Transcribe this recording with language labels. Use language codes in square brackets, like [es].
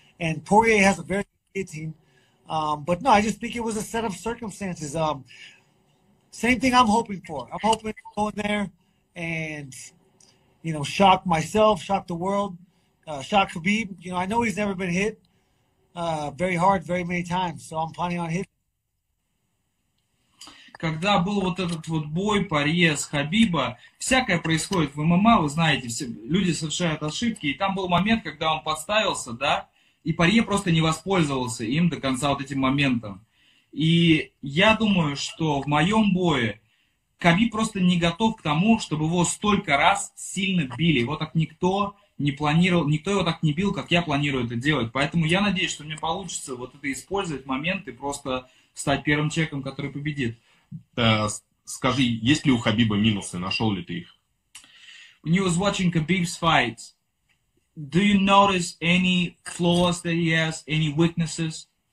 [en] And Poirier has a very good guillotine. I just think it was a set of circumstances. Same thing I'm hoping for. I'm hoping to go in there and, you know, shock myself, shock the world, shock Khabib. You know, I know he's never been hit very hard very many times, so I'm planning on hitting. [ru] Когда был вот этот вот бой Порье с Хабиба, всякое происходит в ММА, вы знаете, все люди совершают ошибки, и там был момент, когда он подставился, да, и Порье просто не воспользовался им до конца вот этим моментом. И я думаю, что в моем бое Хабиб просто не готов к тому, чтобы его столько раз сильно били. Его так никто не планировал, никто его так не бил, как я планирую это делать. Поэтому я надеюсь, что мне получится вот это использовать момент и просто стать первым человеком, который победит. Скажи, есть ли у Хабиба минусы? Нашел ли ты их? [en] When you was watching Khabib's fight, do you notice any flaws that he has, any weaknesses?